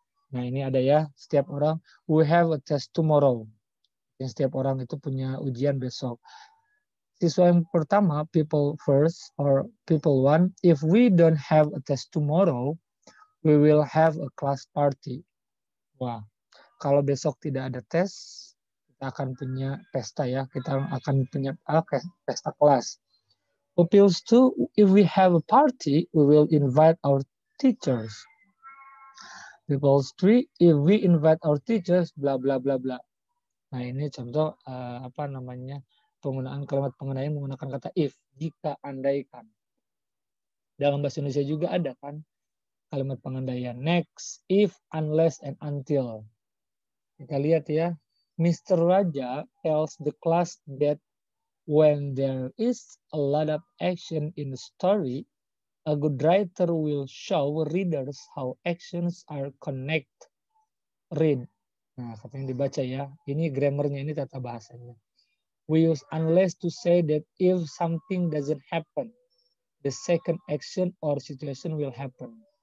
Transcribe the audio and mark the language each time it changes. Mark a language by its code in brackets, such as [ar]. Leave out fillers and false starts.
[id] Nah, ini ada ya, setiap orang, [en] we have a test tomorrow. [id] Dan setiap orang itu punya ujian besok. Siswa yang pertama, [en] people first or people one, if we don't have a test tomorrow, we will have a class party. [id] Wah, kalau besok tidak ada tes, kita akan punya pesta ya, kita akan punya pesta kelas. [en] Pupils two, if we have a party, we will invite our teachers. People three, if we invite our teachers, blah blah blah blah. [id] Nah, ini contoh apa namanya penggunaan kalimat pengandaian menggunakan kata if, jika, andaikan. Dalam bahasa Indonesia juga ada kan kalimat pengandaian. [en] Next, if, unless, and until. [id] Kita lihat ya, [en] Mr. Raja tells the class that when there is a lot of action in the story, a good writer will show readers how actions are connected. [id] Read. Nah, katanya dibaca ya. Ini grammarnya, ini tata bahasanya. [en] We use unless to say that if something doesn't happen, the second action or situation will happen.